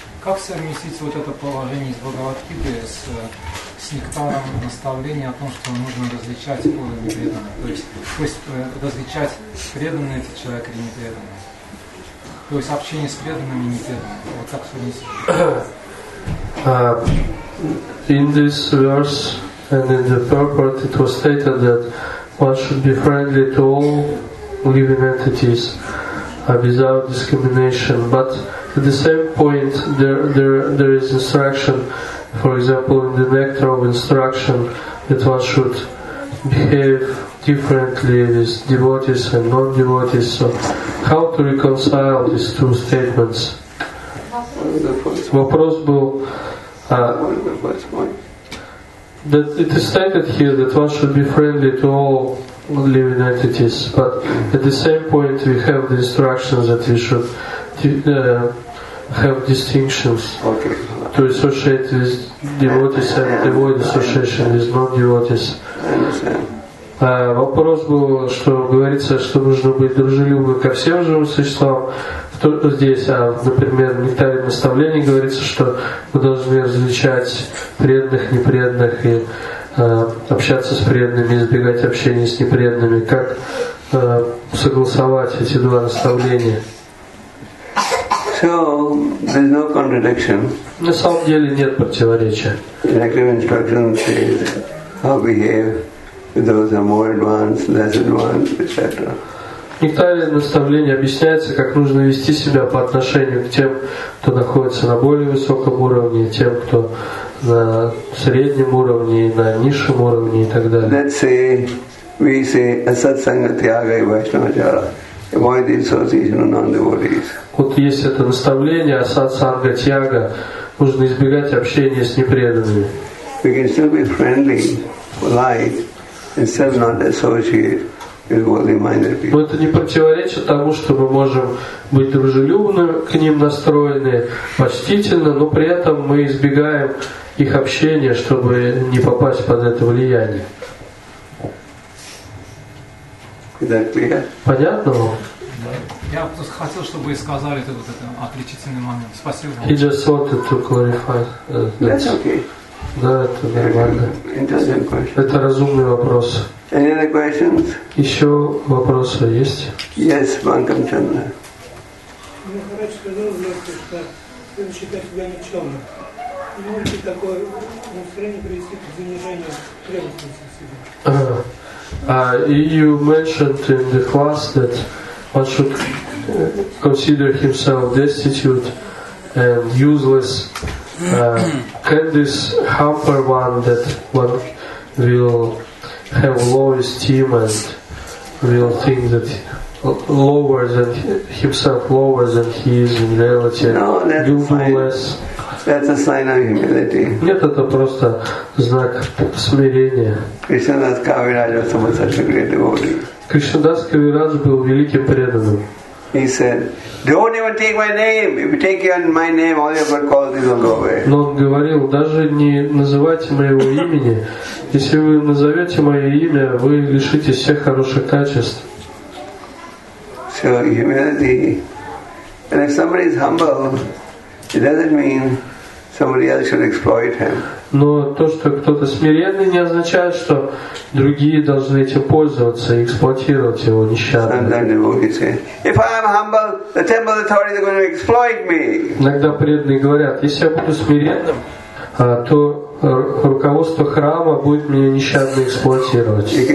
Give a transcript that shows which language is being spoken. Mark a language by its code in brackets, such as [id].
[ru] Как совместить вот это положение из Бхагавад-гиты с нектаром наставления о том, что нужно различать уровень преданного? То есть различать преданный это человек или не преданный? То есть общение с преданными и не преданными. Вот как совместить? [en] In this verse and in the purport it was stated that one should be friendly to all living entities without discrimination. But at the same point, there is instruction, for example, in the nectar of instruction, that one should behave differently with devotees and non-devotees. So how to reconcile these two statements? [ru] Вопрос был, [en] that it is stated here that one should be friendly to all living entities, but at the same point we have the instructions that we should have distinctions, okay, to associate with devotees and avoid association with non-devotees. [ru] Вопрос был, что говорится, что нужно быть дружелюбным ко всем живым существам, то здесь, например, в нектаре наставления говорится, что мы должны различать преданных, непреданных и общаться с преданными, избегать общения с непреданными. Как согласовать эти два наставления? [en] So, there's no contradiction. [ru] На самом деле нет противоречия. [en] Directive instruction says how behave with those who are more advanced, less advanced, etc. [ru] Нектарное наставление объясняется, как нужно вести себя по отношению к тем, кто находится на более высоком уровне, тем, кто на среднем уровне, на низшем уровне и так далее. [en] Let's say we say asat sanga tyaga и vaishnavachara. Avoid association of non-devotees. [ru] Вот есть это наставление асат санга тьяга. Нужно избегать общения с непреданными. [en] We can still be friendly, polite, and still not associate. [ru] Но это не противоречит тому, что мы можем быть дружелюбны к ним настроены, почтительно, но при этом мы избегаем их общения, чтобы не попасть под это влияние. Понятно вам? Я хотел, чтобы вы сказали этот отличительный момент. Спасибо вам. [en] He just wanted to clarify. That's okay. [ru] Да, это нормально. Это разумный вопрос. [en] Any other questions? [ru] Еще вопросы есть? [en] Yes, Bankam Chandra. [ru] Махарадж сказал, что он считает себя никчемным. Не может такое настроение привести к занижению преданности себе. [en] You mentioned in the class that one should consider himself destitute and useless. can this humble one that one will have low esteem and will think that lower than himself, lower than he is in reality, do less? That's a sign of humility. [ru] Нет, это просто знак смирения. [en] Кришнадас Кавирадж was a very great devotee. [ru] Кришнадас Кавирадж был великим преданным. [en] He said, "Don't even take my name. If you take my name, all your bad qualities will go away." [ru] Но он говорил, даже не называйте моего имени. Если вы назовете мое имя, вы лишите всех хороших качеств. [en] So humility, and if somebody is humble, it doesn't mean somebody else should exploit him. [ru] Но то, что кто-то смиренный, не означает, что другие должны этим пользоваться и эксплуатировать его несчастно. Иногда преданные говорят, если я буду смиренным, то руководство храма будет меня нещадно эксплуатировать.